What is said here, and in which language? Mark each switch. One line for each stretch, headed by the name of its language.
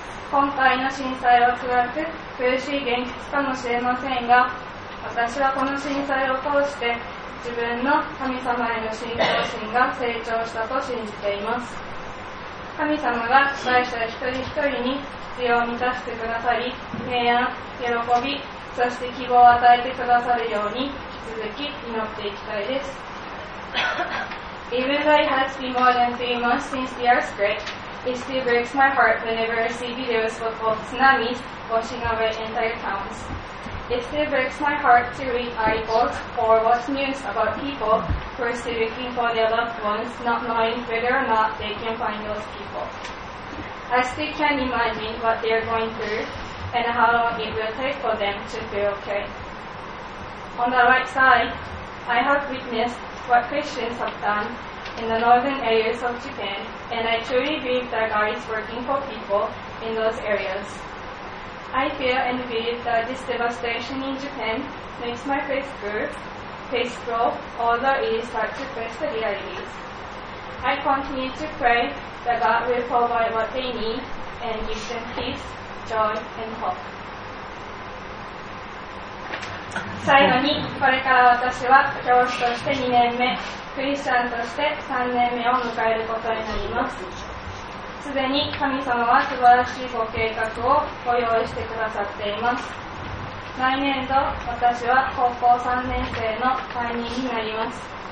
Japanese: 今回の震災は辛く苦しい現実かもしれませんが、私はこの震災を通して自分の神様への信仰心が成長したと信じています。神様が被災者一人一人に必要を満たしてくださり、平安、喜び、そして希望を与えてくださるように引き続き祈っていきたいです。
English: Even though it has been more than 3 months since the earthquake, it still breaks my heart whenever I see videos of tsunamis washing away entire townsIt still breaks my heart to read articles or watch news about people who are still looking for their loved ones, not knowing whether or not they can find those people. I still can't imagine what they are going through, and how long it will take for them to feel okay. On the right side, I have witnessed what Christians have done in the northern areas of Japan, and I truly believe that God is working for people in those areas. I feel and believe that this devastation in Japan makes my faith grow, although it is hard to face the realities. I continue to pray that God will provide what they need and give them peace, joy, and hope.
Japanese: 最後に、これから私は教師として2年目、クリスチャンとして3年目を迎えることになります。すでに神様は素晴らしいご計画をご用意してくださっています。来年度、私は高校3年生の担任になります。